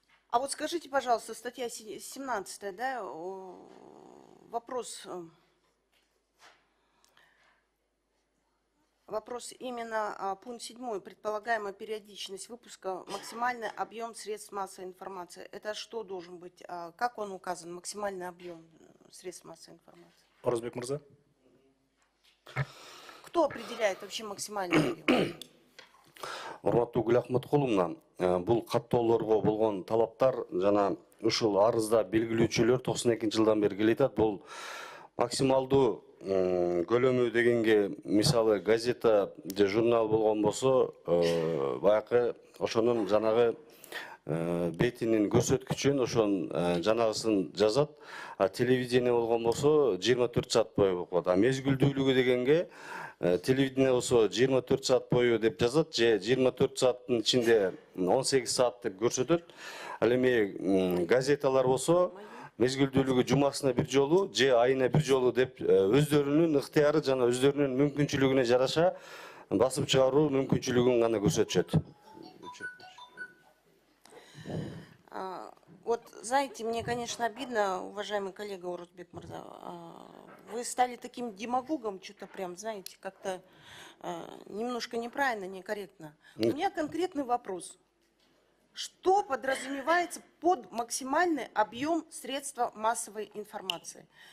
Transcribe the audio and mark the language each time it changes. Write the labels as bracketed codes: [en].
[ru] А вот скажите, пожалуйста, статья 17, да, вопрос именно пункт 7, предполагаемая периодичность выпуска, максимальный объем средств массовой информации. Это что должен быть, как он указан, максимальный объем средств массовой информации? Орозбек Мырза. Кто определяет вообще максимальный объем? [ky] Урматты Гуляк Махмудовна, бул каттоолорго болгон талаптар жана ушул арызда белгилөөчүлөр 92 жылдан бери келетат. Бул максималдуу көлөмү дегенге, мисалы газета же журнал болгон болсо, баякы ошонун жанагы бетинин көрсөткүчүн ошон жанагысын жазат. А телевидение болгон болсо 24 саат бою окулат. А мезгилдүүлүгү дегенге телевидение болсо 24 саат бою деп жазат же 24 сааттын ичинде 18 саат деп көрсөтөт. Ал эми газеталар болсо мезгилдүүлүгү жумасына бир жолу же айына бир жолу деп өздөрүнүн ыктыяры жана өздөрүнүн мүмкүнчүлүгүнө жараша басып чыгаруу мүмкүнчүлүгүн гана көрсөтүшөт. [ru] Вот, знаете, мне, конечно, обидно, уважаемый коллега Орозбек Мырза, вы стали таким демагогом, что-то прям, знаете, как-то немножко неправильно, некорректно. У меня конкретный вопрос. Что подразумевается под максимальный объем средств массовой информации?